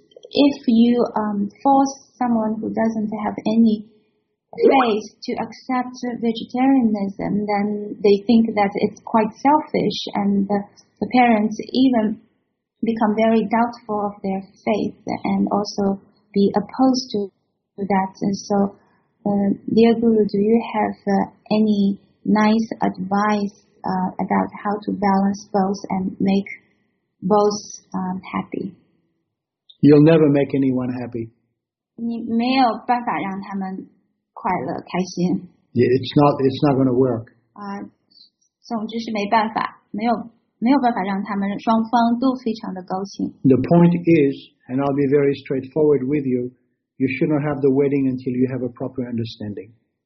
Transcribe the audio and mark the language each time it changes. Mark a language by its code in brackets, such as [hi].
[en] If you force someone who doesn't have any faith to accept vegetarianism, then they think that it's quite selfish, and the parents even become very doubtful of their faith and also be opposed to that. And so, dear Guru, do you have any nice advice about how to balance both and make both happy? You'll never make anyone happy. [zh] 你没有办法让他们快乐开心。 [en] Yeah, it's not going to work. [zh] 总之是没办法，没有办法让他们双方都非常的高兴。 [en] The point is, and I'll be very straightforward with you, you should not have the wedding until you have a proper understanding.